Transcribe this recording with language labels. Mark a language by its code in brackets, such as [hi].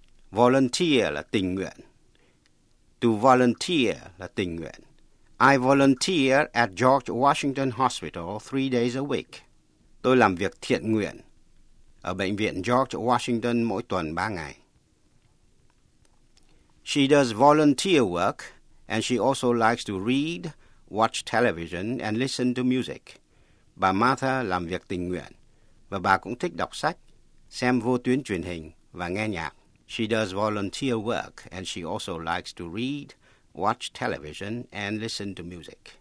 [vi] Volunteer là tình nguyện. To volunteer là tình nguyện. [en] I volunteer at George Washington Hospital 3 days a week. [vi] Tôi làm việc thiện nguyện ở bệnh viện George Washington mỗi tuần 3 ngày. [en] She does volunteer work and she also likes to read, watch television and listen to music. [vi] Bà Martha làm việc tình nguyện và bà cũng thích đọc sách, xem vô tuyến truyền hình và nghe nhạc. [en] She does volunteer work and she also likes to read, watch television and listen to music.